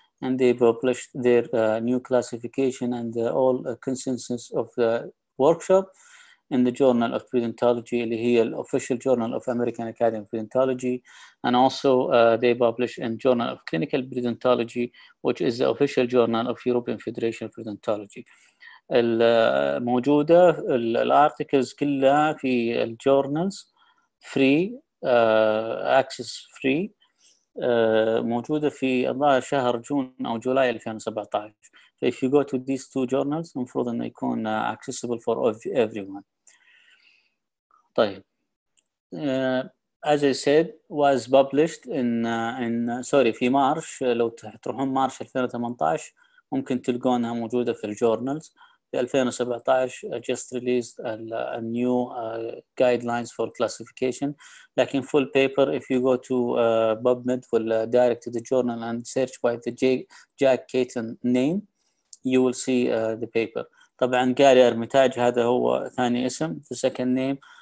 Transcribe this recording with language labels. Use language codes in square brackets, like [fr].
[en] And they published their new classification and all consensus of the workshop in the Journal of Presentology, [ar] اللي هي [en] official journal of American Academy of Presentology. And also they published in Journal of Clinical Presentology, which is the official journal of European Federation of Presentology. [ar] الموجودة, الarticles كلها في الjournals, [en] free, access free. [ar] موجودة في الله شهر جون أو جولاي 2017. [en] If you go to these two journals, I'm sure they can accessible for everyone. طيب. As I said, was published في March. [ar] لو تروحون مارش 2018 ممكن تلقونها موجودة في الجورنالز. [en] في 2017 just released a new guidelines for classification. Like in full paper, if you go to PubMed, will direct to the journal and search by the Jack Caton name, you will see the paper. [ar] طبعا Gary Armitage, هذا هو ثاني اسم, [en] the second name.